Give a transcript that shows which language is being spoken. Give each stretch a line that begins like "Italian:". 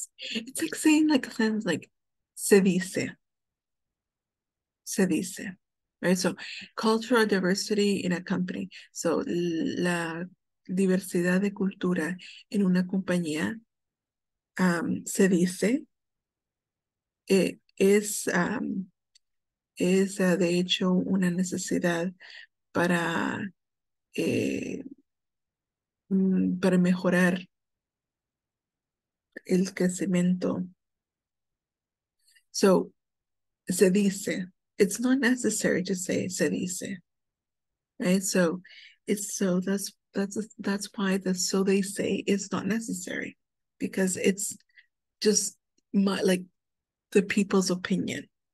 English: It's like saying like things like
Spanish: se dice,
English: right? So cultural diversity in a company.
Spanish: So la diversidad de cultura en una compañía se dice, es de hecho una necesidad para, para mejorar el crecimiento. So, se dice.
English: It's not necessary to say
Spanish: se dice,
English: right? So, it's so that's why the so they say is not necessary, because it's just my, like the people's opinion.